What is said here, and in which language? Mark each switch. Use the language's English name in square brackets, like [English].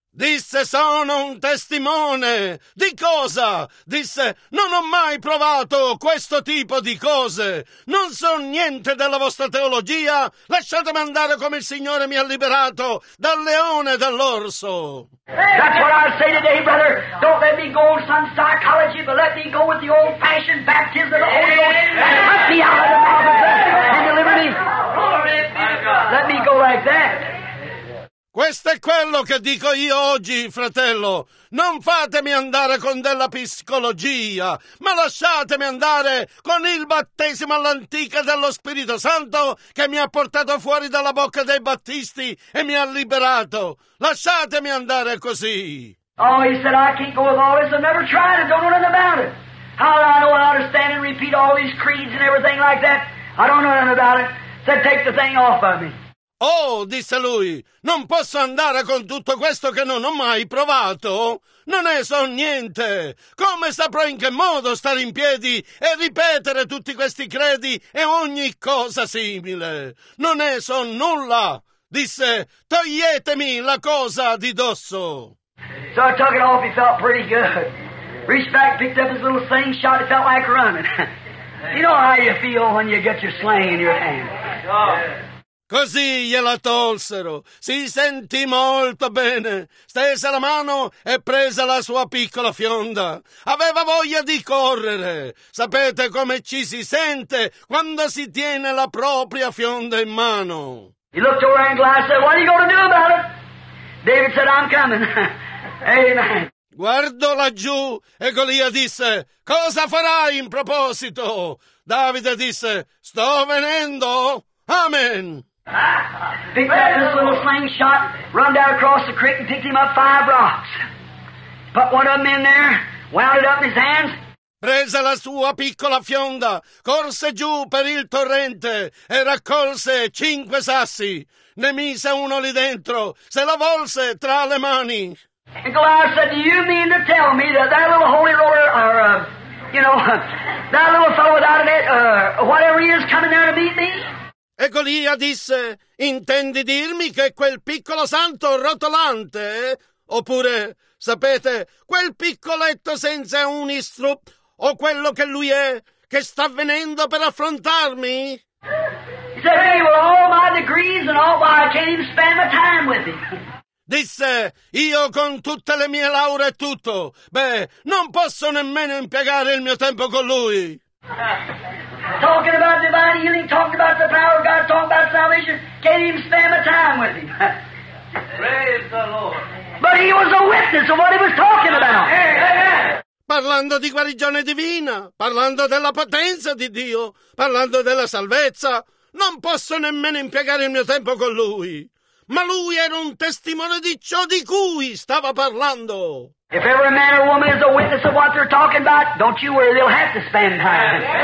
[Italian] Disse, sono un testimone. Di cosa? Disse, non ho mai provato questo tipo di cose. Non so niente della vostra teologia. Lasciatemi andare come il Signore mi ha liberato dal leone e dall'orso. [English] That's what I say today, brother. Don't let me go on some psychology, but let me go with the old-fashioned baptism of the Holy Ghost and cut me out of the mouth and deliver me. Let me go like that. [Italian] Questo è quello che dico io oggi, fratello. Non fatemi andare con della psicologia, ma lasciatemi andare con il battesimo all'antica dello Spirito Santo che mi ha portato fuori dalla bocca dei battisti e mi ha liberato. Lasciatemi andare così. [English] Oh, he said, I can't go with all this. I've never tried it. Don't know nothing about it. How do I know how to stand and repeat all these creeds and everything like that? I don't know nothing about it. Said, take the thing off of me. [Italian] Oh, disse lui, non posso andare con tutto questo che non ho mai provato. Non ne so niente. Come saprò in che modo stare in piedi e ripetere tutti questi credi e ogni cosa simile? Non ne so nulla. Disse, toglietemi la cosa di dosso. [English] So I took it off, he felt pretty good. Reached back, picked up his little sling, shot it, felt like running. You know how you feel when you get your sling in your hand. [Italian] Così gliela tolsero. Si sentì molto bene. Stese la mano e prese la sua piccola fionda. Aveva voglia di correre. Sapete come ci si sente quando si tiene la propria fionda in mano. [English] He looked over and said, what are you going to do about it? David said, I'm coming. Amen. [Italian] Guardò laggiù e Golia disse, cosa farai in proposito? Davide disse, sto venendo. Amen. [English] Picked up this little slingshot, run down across the creek and picked him up five rocks. Put one of them in there, wound it up in his hands. [Italian] Prese la sua piccola fionda, corse giù per il torrente e raccolse cinque sassi. Ne mise uno lì dentro, se la volse tra le mani. [English] And Goliath said, do you mean to tell me that that little holy roller, or, you know, that little fellow without a net, whatever he is, coming there to beat me? [Italian] E Golia disse, intendi dirmi che quel piccolo santo rotolante, oppure, sapete, quel piccoletto senza un istru, o quello che lui è, che sta venendo per affrontarmi? [English] He said, hey, well, all my degrees and all, but I can't even spend the time with him. [Italian] Disse, io con tutte le mie lauree e tutto, beh, non posso nemmeno impiegare il mio tempo con lui. [English] Talking about divine healing, talking about the power of God, talking about salvation, can't even spend the time with him. Praise the Lord. But he was a witness of what he was talking about. Hey, hey, hey. [Italian] Parlando di guarigione divina, parlando della potenza di Dio, parlando della salvezza, non posso nemmeno impiegare il mio tempo con lui. Ma lui era un testimone di ciò di cui stava parlando. [English] If every man or woman is a witness of what they're talking about, don't you worry, they'll have to spend time.